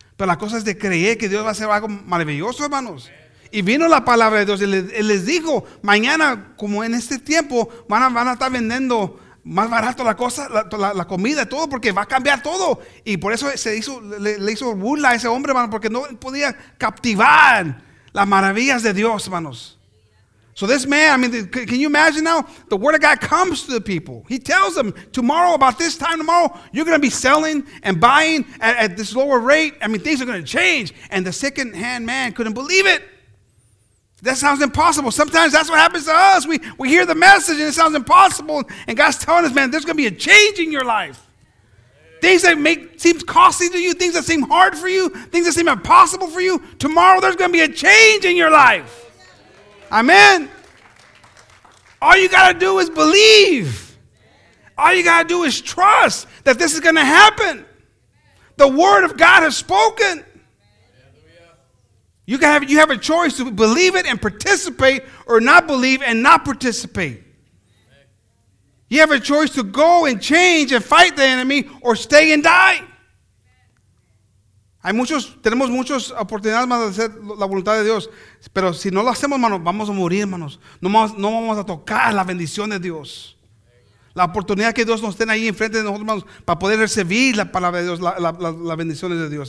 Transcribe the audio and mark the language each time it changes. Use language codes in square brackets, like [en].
[es] Pero la cosa es de creer que Dios va a hacer algo maravilloso, hermanos. Y vino la palabra de Dios y les dijo, mañana, como en este tiempo, van a estar vendiendo más barato la cosa, la comida, todo, porque va a cambiar todo. Y por eso le hizo burla a ese hombre, hermano, porque no podía captivar las maravillas de Dios, hermanos. [en] So this man, I mean, can you imagine now? The word of God comes to the people. He tells them, tomorrow, about this time tomorrow, you're going to be selling and buying at this lower rate. I mean, things are going to change. And the second-hand man couldn't believe it. That sounds impossible. Sometimes that's what happens to us. We hear the message and it sounds impossible. And God's telling us, man, there's going to be a change in your life. Things that seem costly to you, things that seem hard for you, things that seem impossible for you, tomorrow there's going to be a change in your life. Amen. All you got to do is believe. All you got to do is trust that this is going to happen. The word of God has spoken. You have a choice to believe it and participate or not believe and not participate. You have a choice to go and change and fight the enemy or stay and die. [es] Tenemos muchas oportunidades, hermanos, de hacer la voluntad de Dios. Pero si no lo hacemos, hermanos, vamos a morir, hermanos. No vamos a tocar la bendición de Dios. La oportunidad que Dios nos tiene ahí enfrente de nosotros, hermanos, para poder recibir la palabra de Dios, la bendiciones de Dios.